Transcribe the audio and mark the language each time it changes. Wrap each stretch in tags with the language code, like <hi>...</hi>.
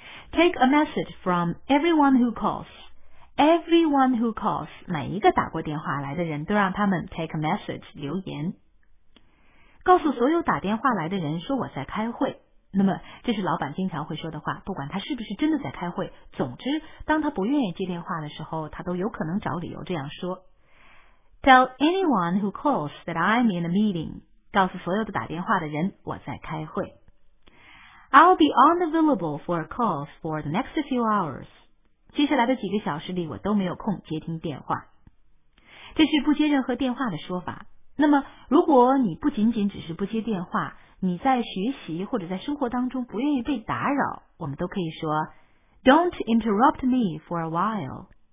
<en>Take a message from everyone who calls. Everyone who calls,</en> <zh>每一个打过电话来的人都让他们</zh> <en>take a message,</en> <zh>留言。告诉所有打电话来的人说我在开会，那么这是老板经常会说的话，不管他是不是真的在开会，总之当他不愿意接电话的时候，他都有可能找理由这样说。</zh> <en>Tell anyone who calls that I'm in a meeting.</en> <zh>告诉所有的打电话的人我在开会。</zh> <en>I'll be unavailable for calls for the next few hours.</en> <zh>接下来的几个小时里我都没有空接听电话。这是不接任何电话的说法。那么如果你不仅仅只是不接电话，你在学习或者在生活当中不愿意被打扰，我们都可以说</zh> <en>Don't interrupt me for a while.</en>